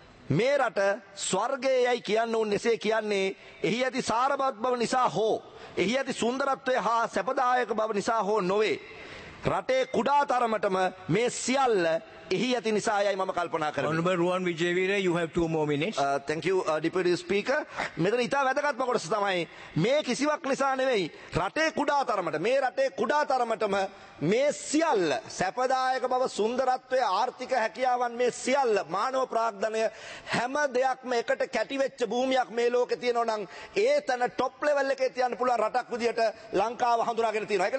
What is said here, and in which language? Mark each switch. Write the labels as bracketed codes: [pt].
[si] මේ රට ස්වර්ගයේ යයි කියන්න උන් එසේ කියන්නේ එහි ඇති සාරවත් බව නිසා හෝ එහි ඇති සුන්දරත්වය හා සැපදායක බව නිසා හෝ නොවේ. රටේ කුඩා තරමටම මේ සියල්ල එහි ඇති නිසා යයි මම කල්පනා කරන්නේ. [en] Honorable Ruwan Vijayawira, you have 2 more minutes. Thank you, Deputy Speaker. [si] මෙතන ඉතා වැදගත්ම කොටස තමයි මේ කිසිවක් නිසා නෙවෙයි රටේ කුඩා තරමට මේ රටේ කුඩා තරමටම මේ සියල්ල සැපදායක බව, සුන්දරත්වය, ආර්ථික හැකියාවන් මේ සියල්ල මානව ප්‍රාග්ධනය හැම දෙයක්ම එකට කැටිවෙච්ච භූමියක් මේ ලෝකේ තියෙනවා නම් ඒ තැන ටොප් ලෙවල් එකේ තියන්න පුළුවන් රටක් විදියට ලංකාව හඳුනාගෙන තියෙනවා.